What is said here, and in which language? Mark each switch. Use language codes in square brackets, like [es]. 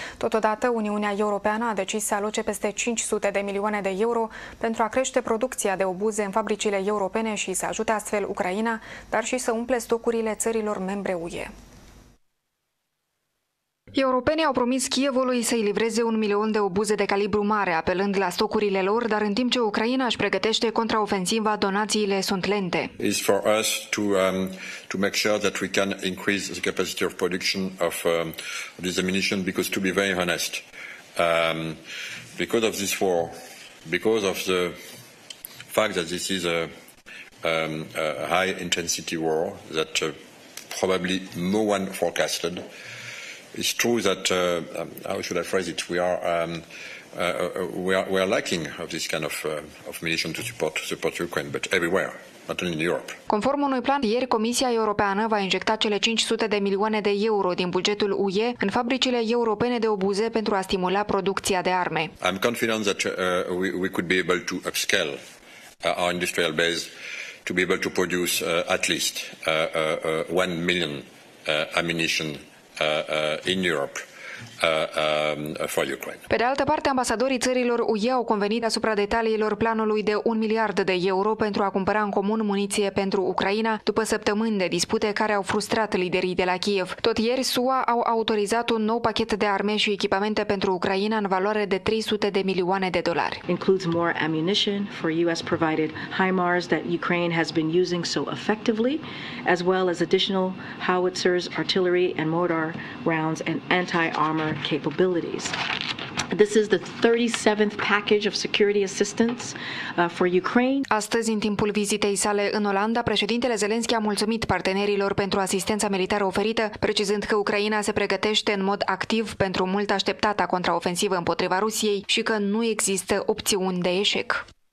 [ro] Totodată, Uniunea Europeană a decis să aloce peste 500 de milioane de euro pentru a crește producția de obuze în fabricile europene și să ajute astfel Ucraina, dar și să umple stocurile țărilor membre UE. Europenii au promis Kievului să-i livreze 1 milion de obuze de calibru mare, apelând la stocurile lor, dar în timp ce Ucraina își pregătește contraofensiva, donațiile sunt lente. [en] It's for us to make sure that we can increase the capacity of production of this ammunition, because to be very honest, because of this war, because of the fact that this is a high intensity war that probably no one forecasted. It's true that how should I phrase it? We are lacking of this kind of munition to support Ukraine, but everywhere. [ro] Conform unui plan, ieri Comisia Europeană va injecta cele 500 de milioane de euro din bugetul UE în fabricile europene de obuze pentru a stimula producția de arme. [en] I'm confident that we could be able to upscale our industrial base to be able to produce at least 1 million ammunition in Europe. For Ukraine. [ro] Pe de altă parte, ambasadorii țărilor UE au convenit asupra detaliilor planului de 1 miliard de euro pentru a cumpăra în comun muniție pentru Ucraina după săptămâni de dispute care au frustrat liderii de la Kiev. Tot ieri, SUA au autorizat un nou pachet de arme și echipamente pentru Ucraina în valoare de 300 de milioane de dolari. [en] Includes more ammunition for US provided HIMARS that Ukraine has been using so effectively, as well as additional howitzers, artillery and mortar rounds and anti-armor capabilities. This is the 37th package of security assistance for Ukraine. [ro] Astăzi, în timpul vizitei sale în Olanda, președintele Zelenski a mulțumit partenerilor pentru asistența militară oferită, precizând că Ucraina se pregătește în mod activ pentru mult așteptata contraofensivă împotriva Rusiei și că nu există opțiuni de eșec.